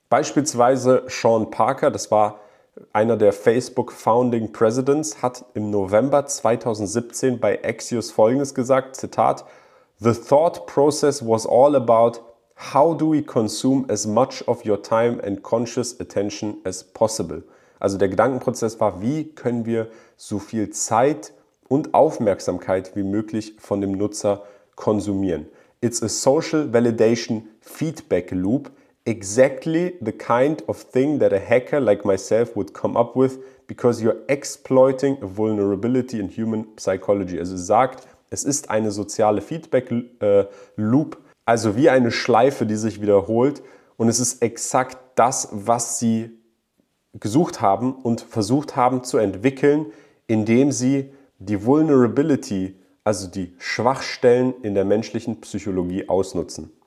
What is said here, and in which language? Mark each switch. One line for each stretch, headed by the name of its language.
German: Beispielsweise Sean Parker, das war einer der Facebook Founding Presidents, hat im November 2017 bei Axios Folgendes gesagt, Zitat,
English: "The thought process was all about how do we consume as much of your time and conscious attention as possible?"
German: Also der Gedankenprozess war, wie können wir so viel Zeit und Aufmerksamkeit wie möglich von dem Nutzer konsumieren?
English: It's a social validation feedback loop, exactly the kind of thing that a hacker like myself would come up with, because you're exploiting a vulnerability in human psychology.
German: Also sagt, es ist eine soziale Feedback Loop, also wie eine Schleife, die sich wiederholt, und es ist exakt das, was sie gesucht haben und versucht haben zu entwickeln, indem sie die Vulnerability, also die Schwachstellen in der menschlichen Psychologie ausnutzen.